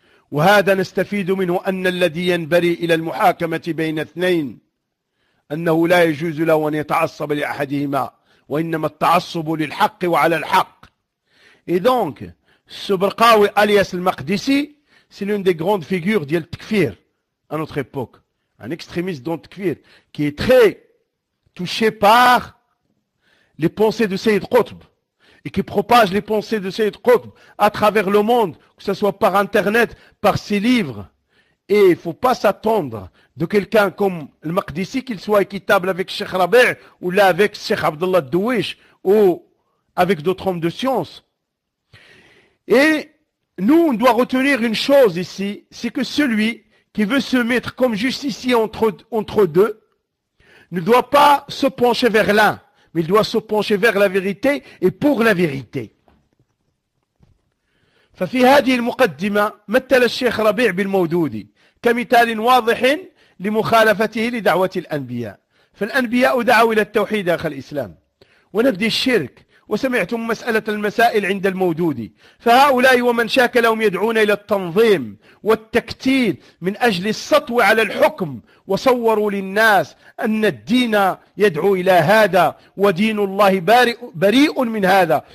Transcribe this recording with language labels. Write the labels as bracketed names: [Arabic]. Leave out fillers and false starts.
[Arabic] وهذا نستفيد منه أن الذي ينبري إلى المحاكمة بين اثنين أنه لا يجوز له أن يتعصب لأحدهما وإنما التعصب للحق وعلى الحق [French] Et donc, ce Barqawi alias al-Maqdisi, c'est l'une des grandes figures du Takfir à notre époque. Un extrémiste dans le Takfir qui est très touché par les pensées de Sayyid Qutb. Et qui propage les pensées de Sayyid Qutb à travers le monde, que ce soit par internet, par ses livres. Et il ne faut pas s'attendre de quelqu'un comme le Maqdisi qu'il soit équitable avec Cheikh Rabi' ou là avec Cheikh Abdullah Douish ou avec d'autres hommes de science. Et nous, on doit retenir une chose ici, c'est que celui qui veut se mettre comme justicier entre deux ne doit pas se pencher vers l'un. Mais il doit se pencher vers la vérité et pour la vérité. [Arabic] ففي هذه المقدمة مثل الشيخ ربيع بالمودودي كمثال واضح لمخالفته لدعوة الأنبياء. فالأنبياء دعوا إلى التوحيد داخل الإسلام ونبذ الشرك. وسمعتم مسألة المسائل عند المودودي. فهؤلاء ومن شاكلهم يدعون إلى التنظيم والتكتيل من أجل السطو على الحكم وصوروا للناس أن الدين يدعو إلى هذا ودين الله بريء من هذا.